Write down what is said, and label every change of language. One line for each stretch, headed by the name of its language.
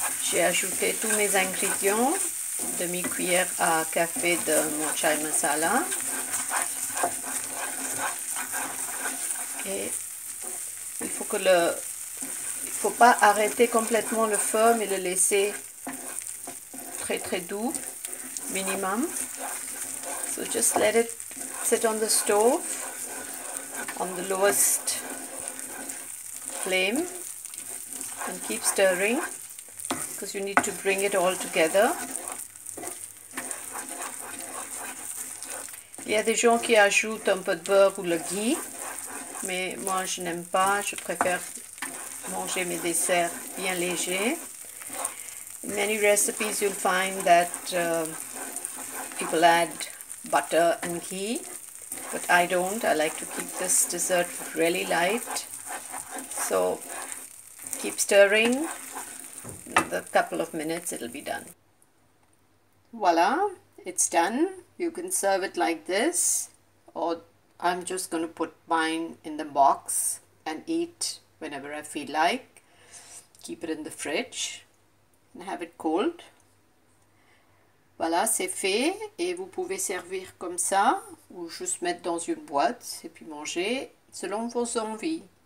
French: J'ai ajouté tous mes ingrédients, demi-cuillère à café de mon chai masala. Et il faut que il faut pas arrêter complètement le feu, mais le laisser très très doux, minimum.
English: So just let it sit on the stove, on the lowest flame, and keep stirring. Because you need to bring it all together.
French: Il y a des gens qui ajoutent un peu de beurre ou le ghee, mais moi je n'aime pas, je préfère manger mes desserts bien légers.
English: In many recipes you'll find that people add butter and ghee, but I don't. I like to keep this dessert really light. So keep stirring. Another couple of minutes, it'll be done. Voila, it's done. You can serve it like this, or I'm just going to put mine in the box and eat whenever I feel like. Keep it in the fridge and have it cold.
French: Voilà, c'est fait, et vous pouvez servir comme ça ou juste mettre dans une boîte et puis manger selon vos envies.